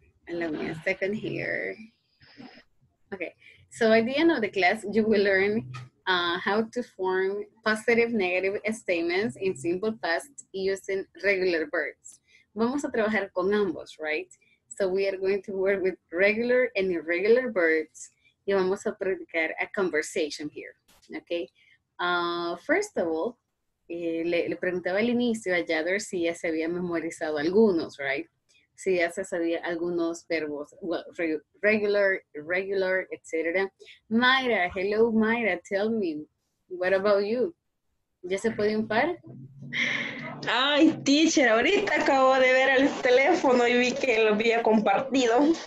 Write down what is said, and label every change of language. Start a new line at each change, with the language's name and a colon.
English: Allow me a second here. Okay, so by the end of the class, you will learn how to form positive negative statements in simple past using regular verbs.
Spanish: Vamos a trabajar con ambos,
English: right? So we are going to work with regular and irregular verbs.
Spanish: Y vamos a practicar
English: a conversation here, okay? First of all,
Spanish: le preguntaba al inicio a Yader si ya se había memorizado algunos, right? Si ya se sabía algunos verbos, well, regular, irregular, etc.
English: Mayra, hello Mayra, tell me, what about you?
Spanish: ¿Ya se puede un par? Ay, teacher, ahorita acabo de ver el teléfono y vi que lo había compartido.